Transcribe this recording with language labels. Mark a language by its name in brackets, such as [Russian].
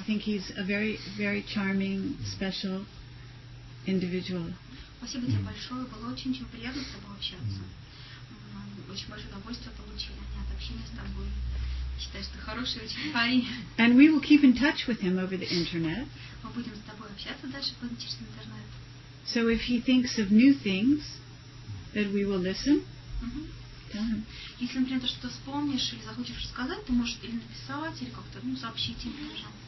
[English] I think he's a very, very charming, special individual. [Russian] Спасибо тебе большое. Было очень приятно с тобой общаться. Очень большое удовольствие получили они от общения с тобой. Считаю, что хороший очень парень. [English] And we will keep in touch with him over the internet. [Russian] Мы будем с тобой общаться дальше через интернет. [English] So if he thinks of new things, that we will listen. [Russian] Если, например, ты что-то вспомнишь или захочешь рассказать, ты можешь или написать, или как-то, ну, сообщить им тоже.